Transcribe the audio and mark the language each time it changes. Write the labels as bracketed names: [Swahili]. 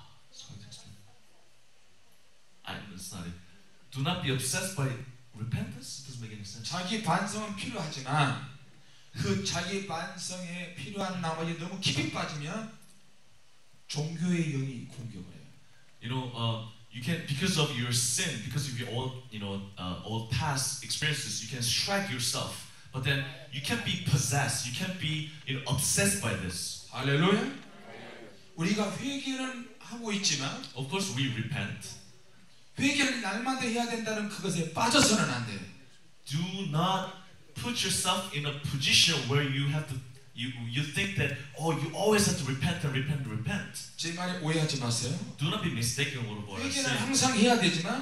[English] Sorry, that's not it. Do not be obsessed by repentance. Doesn't make any sense. [Korean] 자기 반성은 필요하지만 그 자기 반성에 필요한 나머지 너무 깊이 빠지면 종교의 영이 공격을 해요. [English] You know, you can because of your sin, because of your old, you know, old past experiences, you can strike yourself. But then you can't be possessed. You can't be, you know, obsessed by this. Hallelujah. [Korean] 우리가 회개는 하고 있지만, [English] of course, we repent. [Korean] 회개를 날마다 해야 된다는 그것에 빠져서는 안 돼. [English] Do not put yourself in a position where you have to you think that oh you always have to repent and repent and repent. [Korean] 제 말에 오해하지 마세요. [English] Do not be mistaken what I say. [Korean] 회개는 항상 해야 되지만